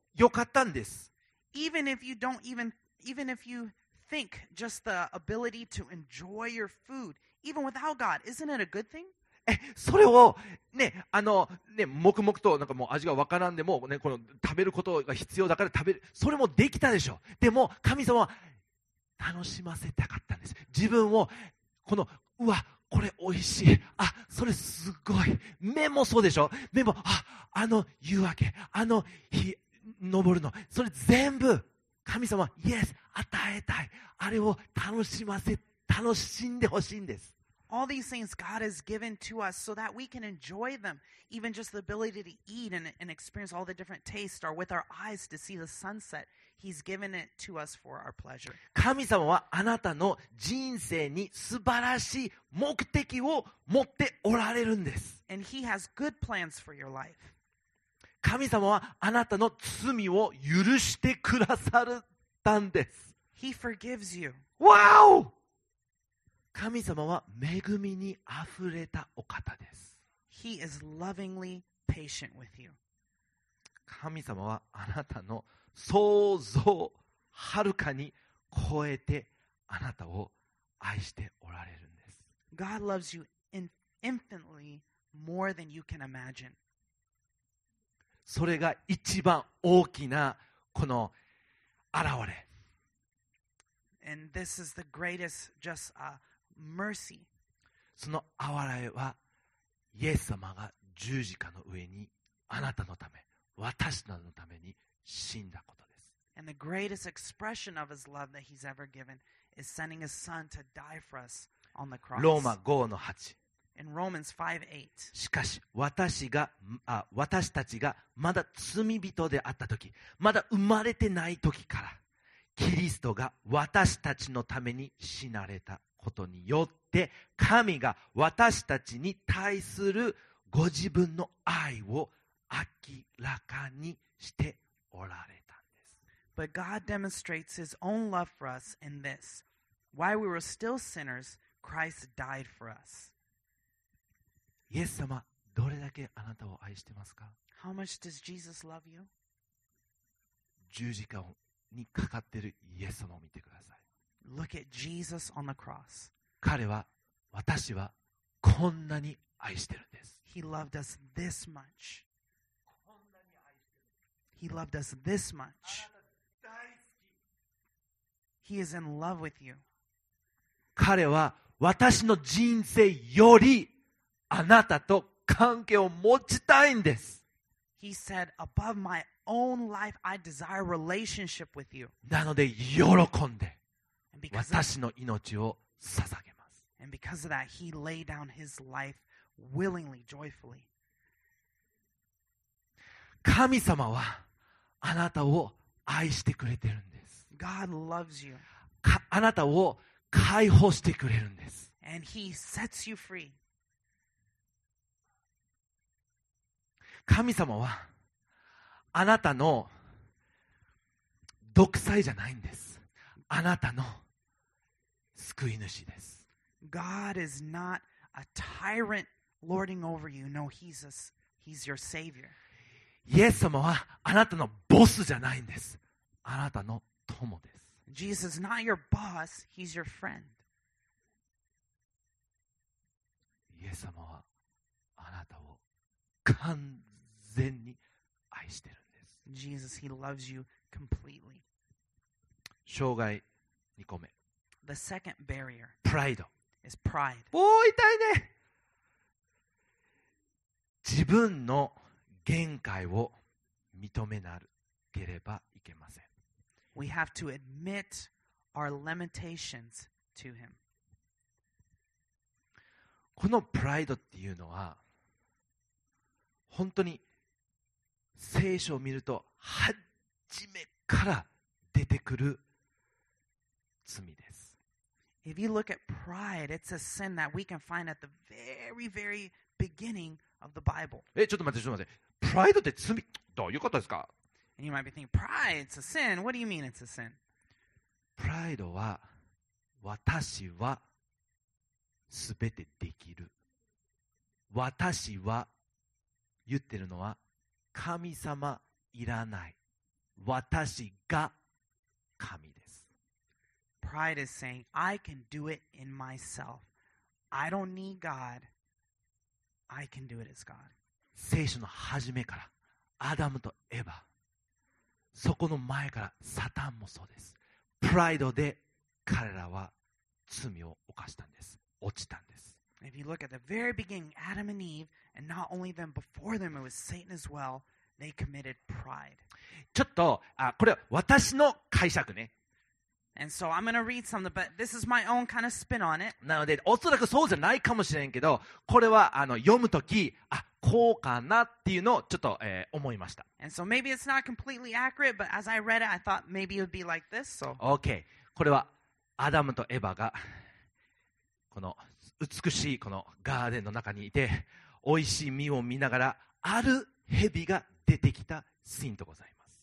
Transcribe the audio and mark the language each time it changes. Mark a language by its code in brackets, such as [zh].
[ja] 良かったんです。 [en] Even if you don't even, even if you think just the ability to enjoy your food, even without God, isn't it a good thing? [ja] それをね、あのね、黙々となんかもう味がわからんでも、ね、この食べることが必要だから食べる、それもできたでしょう。でも神様は楽しませたかったんです。自分をこのうわこれおいしい、あそれすごい、目もそうでしょ、目も あの夕焼け、あの日昇るの、それ全部神様イエス与えたい、あれを楽しませ楽しんでほしいんです。 [en] All these things God has given to us so that we can enjoy them. Even just the ability to eat and experience all the different tastes or with our eyes to see the sunset. He's given it to us for our pleasure. [ja] 神様はあなたの人生に素晴らしい目的を持っておられるんです。 [en] And he has good plans for your life. [ja] 神様はあなたの罪を許してくださったんです。 [en] He forgives you. Wow! [ja] 神様は恵みにあふれたお方です。 [en] He is lovingly patient with you. [ja] 神様はあなたの想像をはるかに超えてあなたを愛しておられるんです。 [en] God loves you infinitely more than you can imagine. [ja] それが一番大きなこの現れ。 [en] And this is the greatest just a、Mercy. [ja] その憐れはイエス様が十字架の上にあなたのため私のために死んだことです。 [en] And the greatest expression of his love that he's ever given is sending his son to die for us on the cross. [ja] ローマ 5-8 [en] In Romans 5-8 [ja] しかし私たちがまだ罪人であった時、まだ生まれてない時からキリストが私たちのために死なれたことによって神が私たちに対するご自分の愛を明らかにしておられたんです。 [en] But God demonstrates His own love for us in this. While we were still sinners, Christ died for us. [ja] イエス様、どれだけあなたを愛してますか? [en] How much does Jesus love you? [ja] 十字架にかかっているイエス様を見てください。 [en] Look at Jesus on the cross. [ja] 彼は私はこんなに愛してるんです。 [en] He loved us this much. He loved us this much. He is in love with you. [ja] 彼は私の人生よりあなたと関係を持ちたいんです。 [en] He said, "Above my own life, I desire relationship with you." [ja] なので喜んで。私の命を捧げます。 [en] And because of that, he laid down his life willingly, joyfully. [ja] 神様はあなたを愛してくれてるんです。 [en] God loves you. [ja] あなたを解放してくれるんです。 [en] And he sets you free. [ja] 神様はあなたの独裁じゃないんです。あなたの救い主です。 [en] God is not a tyrant lording over you. No, he's your savior. [ja] イエス様はあなたのボスじゃないんです。あなたの友です。 [en] Jesus is not your boss. He's your friend. [ja] イエス様はあなたを完全に愛してるんです。 [en] Jesus, he loves you completely. [ja] 生涯2個目。 [en] The second barrier pride. is pride. [ja] おお、痛いね。自分の限界を認めなければいけません。 [en] We have to admit our limitations to him. [ja] このプライドっていうのは本当に聖書を見ると初めから出てくる罪です。 [en] If you look at pride, it's a sin that we can find at the very, very beginning of the Bible. [ja] え、ちょっと待って。プライドって罪、どういうことですか? [en] And you might be thinking, pride, it's a sin. What do you mean it's a sin? [ja] プライドは、私はすべてできる。私は言ってるのは、神様いらない。私が神です。 [en] Pride is saying, I can do it in myself. I don't need God. I can do it as God. [ja] 聖書の初めから、アダムとエヴァ、そこの前からサタンもそうです。 Pride で彼らは罪を犯したんです。落ちたんです。 [en] If you look at the very beginning, Adam and Eve, and not only them, before them, it was Satan as well, they committed pride. [ja] ちょっと、これは私の解釈ね。 [en] And so I'm going to read something, but this is my own kind of spin on it. [ja] なので、おそらくそうじゃないかもしれんけど、これは読むとき、あ、こうかなっていうのをちょっと、思いました。 [en] And so maybe it's not completely accurate, but as I read it, I thought maybe it would be like this. So... Okay. [ja] これはアダムとエヴァが、この、美しいこのガーデンの中にいて、美味しい実を見ながら、ある蛇が出てきたシーンでございます。